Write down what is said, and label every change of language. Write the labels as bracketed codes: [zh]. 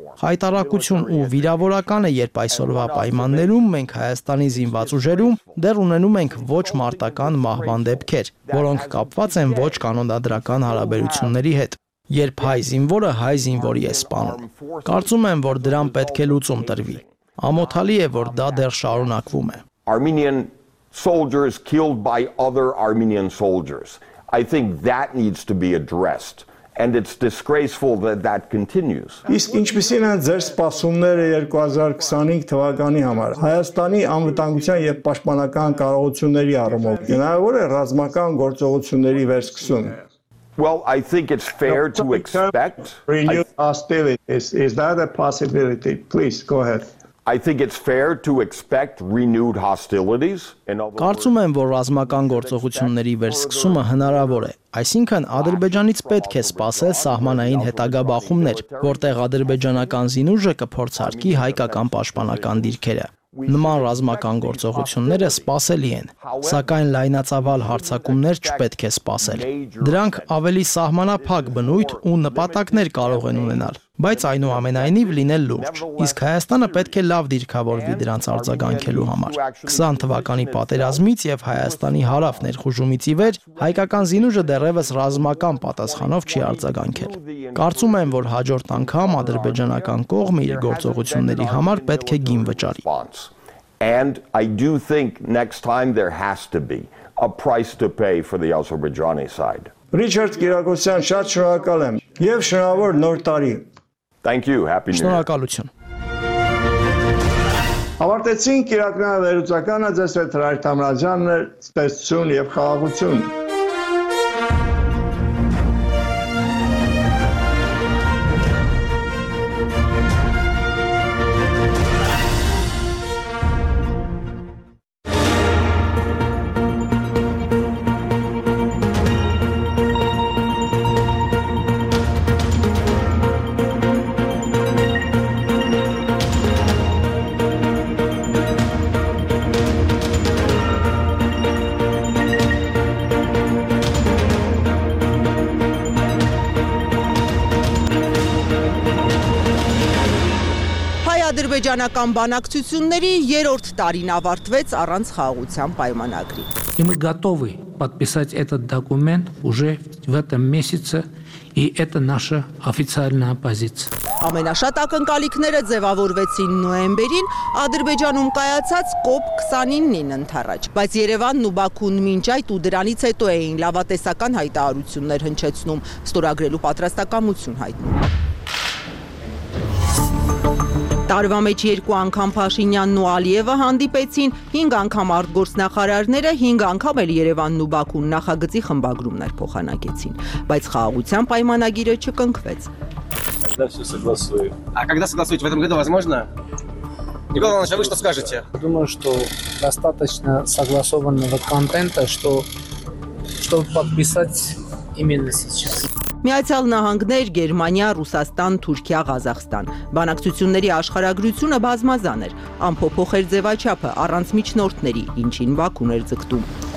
[hy] Հայտարարություն ու վիրավորական է, երբ այսօրվա պայմաններում մենք Հայաստանի զինված ուժերում դեռ ունենում ենք ոչ մարտական մահվան դեպքեր, որոնք կապված են ոչ կանոնադրական հարաբերությունների հետ, երբ հայ զինվորը հայ զինվորի է սպանում։ Կարծում եմ, որ դրան պետք է լուծում տրվի։ Ամոթալի է, որ դա դեռ շարունակվում է։ [en] Armenian soldiers killed by other Armenian soldiers. I think that needs to be addressed. And it's disgraceful that that continues. [hy] Իսկ ինչպեսին են ձեր սպասումները 2025 թվականի համար Հայաստանի անվտանգության եւ պաշտպանական կարողությունների առումով։ Գնահատվոր է ռազմական գործողությունների վերսկսում։ [en] Well, I think it's fair to expect renewed hostilities. Is that a possibility? Please go ahead. I think it's fair to expect renewed hostilities. [hy] Կարծում եմ, որ ռազմական գործողությունների վերսկսումը հնարավոր է։ Այսինքն, Ադրբեջանից պետք է սպասել սահմանային հետագա բախումներ, որտեղ ադրբեջանական զինուժը կփորձարկի հայկական պաշտպանական դիրքերը։ Նման ռազմական գործողությունները սպասելի են, սակայն լայնածավալ հարձակումներ չպետք է սպասել։ Դրանք ավելի սահմանափակ բնույթ ու նպատակներ կարող են ունենալ, բայց այնուամենայնիվ լինել լուրջ։ Իսկ Հայաստանը պետք է լավ դիրքավորվի դրանց արձագանքելու համար։ 20 թվականի պատերազմից եւ Հայաստանի հարավ ներխուժումից ի վեր հայկական զինուժը դեռևս ռազմական պատասխանով չի արձագանքել։ Կարծում եմ, որ հաջորդ անգամ ադրբեջանական կողմը իր գործողությունների համար պետք է գին վճարի։ [en] And I do think next time there has to be a price to pay for the Azerbaijani side. [hy] Richard Kirakosyan, շատ շնորհակալ եմ եւ շնորհավոր նոր տարի։ [en] Thank you, happy new year. [hy] Շնորհակալություն։ Ավարտեցինք Իրաքնային վերլուծականը, ձեզ հետ Հրայր Թամրազյանն էր, տեսություն և խաղաղություն։ Ադրբեջանական բանակցությունների երրորդ տարին ավարտվեց առանց խաղաղության պայմանագրի։ Մենք կարող ենք [ru] պատписать этот документ уже в этом месяце, и это наша официальная позиция։ [hy] Ամենաշատ ակնկալիքները ձևավորվեցին նոեմբերին Ադրբեջանում կայացած COP29-ին ընթառաջ, բայց Երևանն ու Բաքուն մինչ այդ ու դրանից հետո էին լավատեսական հայտարարություններ հնչեցնում, ստորագրելու պատրաստակամություն հայտնում։ Տարվա մեջ երկու անգամ Փաշինյանն ու Ալիևը հանդիպեցին, 5 անգամ արտգործնախարարները, 5 անգամ էլ Երևանն ու Բաքուն նախագծի խմբագրումներ փոխանակեցին, բայց խաղաղության պայմանագիրը չկնքվեց։ [ru] А когда согласуете в этом году возможно? Николай Иванович, а вы что скажете? Думаю, что достаточно согласованного контента, чтобы подписать именно сейчас. [hy] Միացյալ Նահանգներ, Գերմանիա, Ռուսաստան, Թուրքիա, Ղազախստան։ Բանակցությունների աշխարհագրությունը բազմազան էր, ամփոփող էր ձևաչափը առանց միջնորդների, ինչին Բաքուն էր ձգտում։